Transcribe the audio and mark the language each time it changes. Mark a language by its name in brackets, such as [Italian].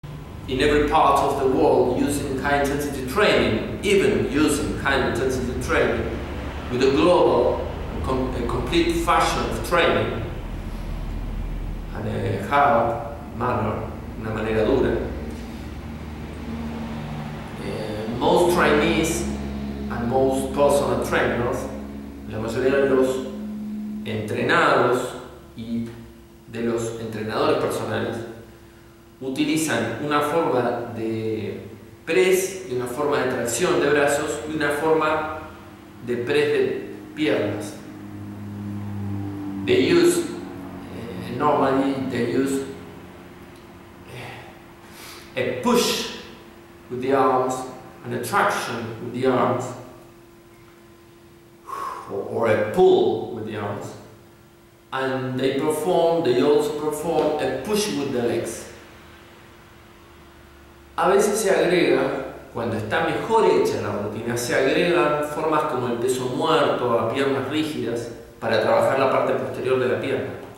[English] in every part of the world using high-intensity training, even using high-intensity training with a global, complete fashion of training and a hard manner, [Spanish] una manera dura. [English] Most trainees and most personal trainers, [Spanish] la mayoría de los entrenados y de los entrenadores personales, utilizan una forma de press y una forma de tracción de brazos y una forma de press de piernas. [English] They use normally they use a push with the arms and a traction with the arms or a pull with the arms, and they also perform a push with the legs. [Spanish] A veces se agrega, cuando está mejor hecha la rutina, se agregan formas como el peso muerto a piernas rígidas para trabajar la parte posterior de la pierna.